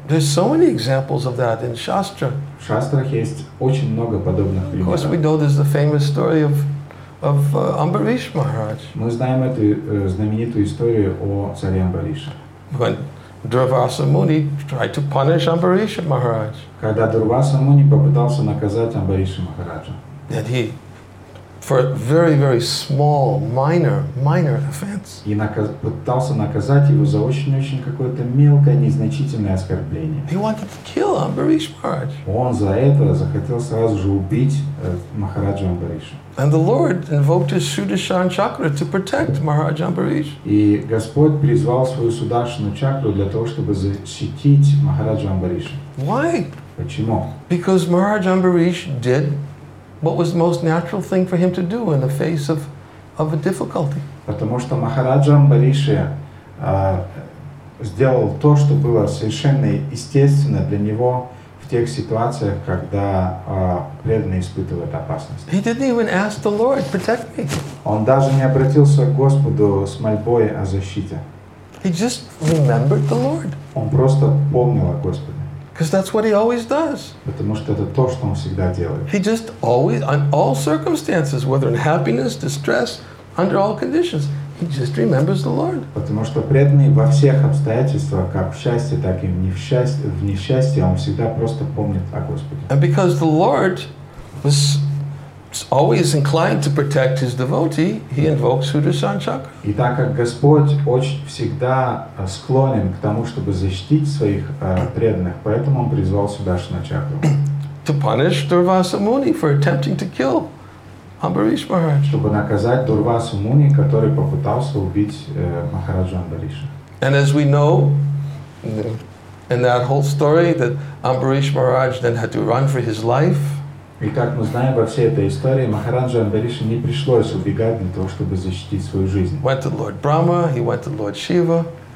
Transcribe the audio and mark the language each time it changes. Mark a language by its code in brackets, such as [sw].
[en] There's so many examples of that in Shastra. [ru] В шастрах есть очень много подобных примеров. [en] Of course, we know there's the famous story of Ambarish Maharaj. [ru] Мы знаем эту знаменитую историю о царе Амбарише. [en] When Durvasa Muni tried to punish Ambarish Maharaj. [ru] Когда Дурваса Муни попытался наказать Амбариша Махараджа. [en] That he for a very, very small, minor offense. [ru] И пытался наказать его за очень-очень какое-то мелкое, незначительное оскорбление. [en] He wanted to kill Ambarish Maharaj. [ru] Он за это захотел сразу же убить Махараджу Амбариша. [en] And the Lord invoked his Sudarshan Chakra to protect Maharaj Ambarish. [ru] И Господь призвал свою Сударшану Чакру для того, чтобы защитить Махараджу Амбариша. [en] Why? [ru] Почему? [en] Because Maharaj Ambarish did what was the most natural thing for him to do in the face of a difficulty? [ru] Потому что Махараджа Амбариши сделал то, что было совершенно естественно для него в тех ситуациях, когда преданный испытывает опасность. [en] He didn't even ask the Lord, protect me. [ru] Он даже не обратился к Господу с мольбой о защите. [en] He just remembered the Lord. [ru] Он просто помнил о Господе. [en] Because that's what he always does. [ru] Потому что это то, что он всегда делает. [en] He just always, on all circumstances, whether in happiness, distress, under all conditions, he just remembers the Lord. [ru] Потому что преданный во всех обстоятельствах, как в счастье, так и в несчастье, он всегда просто помнит о Господе. [en] And because the Lord was always inclined to protect his devotee, he invokes Sudarshan Chakra. [ru] И так как Господь очень всегда склонен к тому, чтобы защитить своих преданных, поэтому он призвал Сударшану Чакру. [en] To punish Durvasa Muni for attempting to kill Ambarish Maharaj. [ru] Чтобы наказать Дурвасу Муни, который попытался убить Махараджу Амбариша. [en] And as we know, in that whole story, that Ambarish Maharaj then had to run for his life. [ru] И как мы знаем во всей этой истории, Махараджа Амбариша не пришлось убегать для того, чтобы защитить свою жизнь. [en] Went to Lord Brahma, he went to Lord Shiva.